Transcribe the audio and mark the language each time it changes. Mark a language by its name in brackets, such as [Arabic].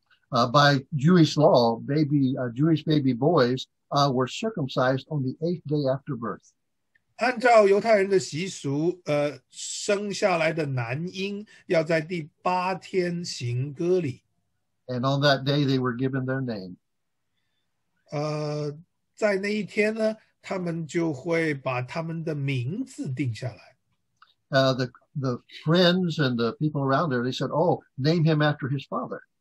[English] By Jewish law, Jewish baby boys were circumcised on the eighth day after birth. [Chinese] 按照犹太人的习俗，生下来的男婴要在第八天行割礼。 [English] And on that day they were given their name. [Chinese] 在那一天呢，他们就会把他们的名字定下来。 [English] The friends and the people around there, they said, "Oh, name him after his father."